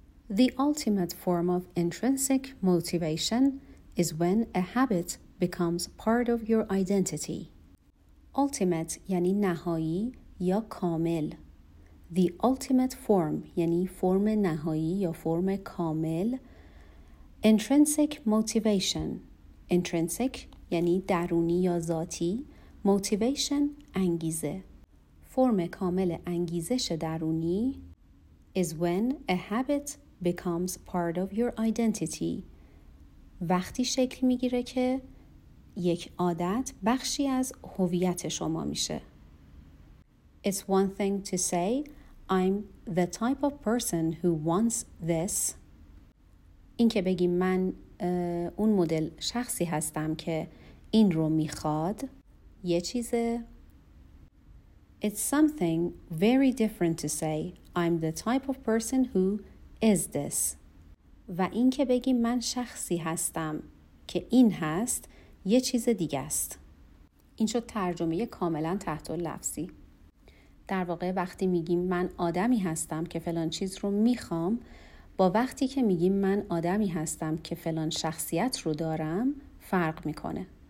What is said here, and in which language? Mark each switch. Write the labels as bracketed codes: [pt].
[en] The ultimate form of intrinsic motivation is when a habit becomes part of your identity. [fa] Ultimate یعنی نهایی یا کامل. [en] The ultimate form [fa] یعنی فرم نهایی یا فرم کامل. [en] Intrinsic motivation. [fa] Intrinsic یعنی درونی یا ذاتی. [en] Motivation [fa] انگیزه. فرم کامل انگیزش درونی [en] is when a habit becomes part of your identity. [fa] وقتی شکل میگیره که یک عادت بخشی از هویت شما میشه. [en] It's one thing to say I'm the type of person who wants this. [fa] این که بگیم من اون مدل شخصی هستم که این رو میخواد یه چیزه. [en] It's something very different to say I'm the type of person who is this. [fa] و این که بگیم من شخصی هستم که این هست یه چیز دیگه است. این شد ترجمه کاملا تحت لفظی. در واقع وقتی میگیم من آدمی هستم که فلان چیز رو میخوام با وقتی که میگیم من آدمی هستم که فلان شخصیت رو دارم فرق میکنه.